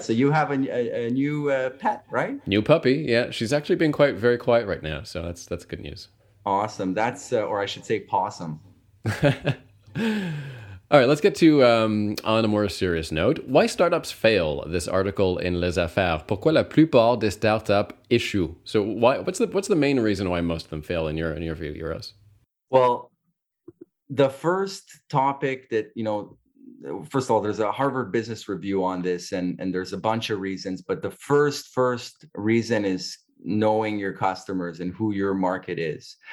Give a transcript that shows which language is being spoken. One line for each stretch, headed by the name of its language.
English: So you have a new pet, right? New puppy. Yeah. She's actually been quite, very quiet right now. So that's good news. Awesome. That's, or I should say possum. All right, let's get to, on a more serious note, why startups fail, this article in Les Affaires.
French: Pourquoi la plupart des startups échouent?
English: So what's the main reason why most of them fail in your view, Euros? Well, the first topic that, you know, first of all, there's a Harvard Business Review on this, and there's a bunch of reasons, but the first reason is knowing your customers and who your market is.